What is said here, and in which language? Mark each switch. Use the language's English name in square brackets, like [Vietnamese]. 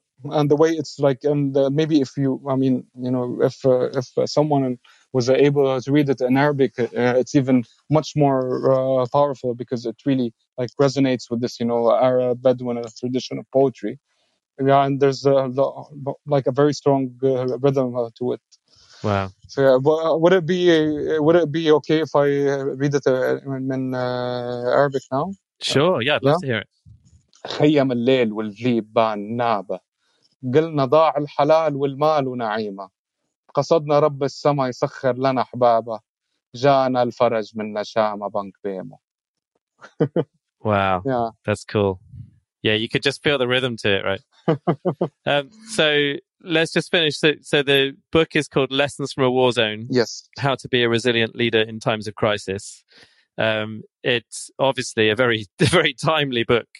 [English] And the way it's like, and maybe if you, I mean, you know, if someone was able to read it in Arabic, it's even much more powerful, because it really like resonates with this, you know, Arab Bedouin tradition of poetry. Yeah, and there's a very strong rhythm to it. Wow. So, would it be okay if I read it in Arabic now? Sure. Yeah, I'd love to hear it. [Arabic] خيم الليل والذيب بان نابة قلنا ضاع الحلال والمال ونعيمة قصدنا رب السماء يسخر لنا حبابة جانا الفرج من نشامة بنك بيمو. [English] Wow. Yeah. That's cool. Yeah, you could just feel the rhythm to it, right? So let's just finish. So the book is called Lessons from a War Zone. Yes. How to be a resilient leader in times of crisis. It's obviously a very, very timely book.